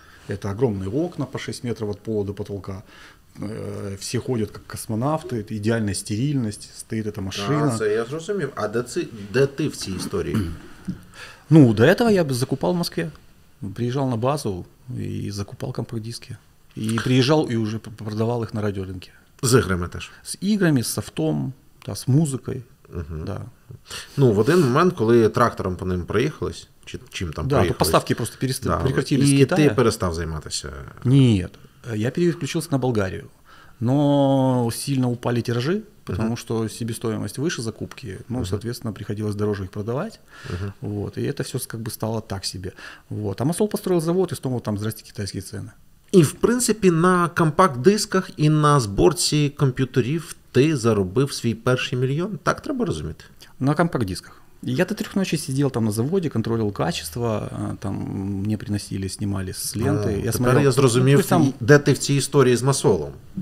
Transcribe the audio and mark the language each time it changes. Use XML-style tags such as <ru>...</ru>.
<ru>Это огромные окна по 6 метров от пола до потолка. Все ходят как космонавты, это идеальная стерильность, стоит эта машина. Да, я разумею. А да ты в всей истории? Ну, до этого я бы закупал в Москве. Приезжал на базу и закупал компакт-диски. И приезжал и уже продавал их на радиорынке.</ru> <uk>З іграми теж. З іграми, з софтом, та, з музикою. Угу. Да. Ну, в один момент, коли трактором по ним проїхались, чи чим там проїхались.</uk> <ru>Да, то поставки просто прекратили</ru> <uk>з Китая. І ти перестав займатися. Ні, я переключился на Болгарію.</uk> <ru>Но сильно упали тиражи, потому что себестоимость выше закупки, ну, соответственно, приходилось дороже их продавать, вот, и это все как бы стало так себе. Вот. А Масол построил завод, и снова там, здрасте, китайские цены.</ru> <uk>І, в принципі, на компакт-дисках і на зборці комп'ютерів ти заробив свій перший мільйон? Так треба розуміти? На компакт-дисках. Я до трьох ночі сидів там на заводі, контролював качество, там мені приносили, знімали з ленти. Я тепер смотрел, я зрозумів, ну, там... де ти в цій історії з Масолом.</uk>